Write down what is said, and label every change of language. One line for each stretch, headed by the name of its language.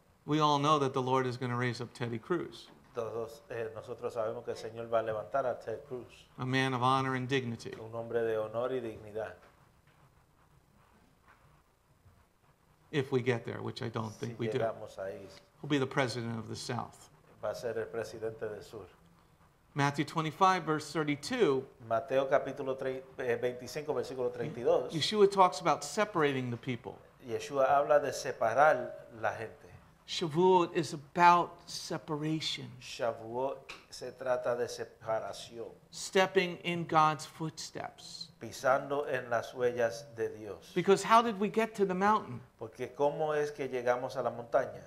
English: We all know that the Lord is going to raise up Teddy Cruz.
Spanish: Todos nosotros sabemos que el Señor va a levantar a Ted Cruz.
English: A man of honor and dignity.
Spanish: Un hombre de honor y dignidad.
English: If we get there, which I don't think
Spanish: si
English: we
Spanish: llegamos
English: do.
Spanish: Ahí.
English: He'll be the president of the South.
Spanish: Va a ser el presidente del sur.
English: Matthew 25, verse 32.
Spanish: Mateo capítulo 25, versículo 32.
English: Yeshua talks about separating the people.
Spanish: Yeshua habla de separar la gente.
English: Shavuot is about separation.
Spanish: Shavuot se trata de separación.
English: Stepping in God's footsteps.
Spanish: Pisando en las huellas de Dios.
English: Because how did we get to the mountain?
Spanish: Porque cómo es que llegamos a la montaña?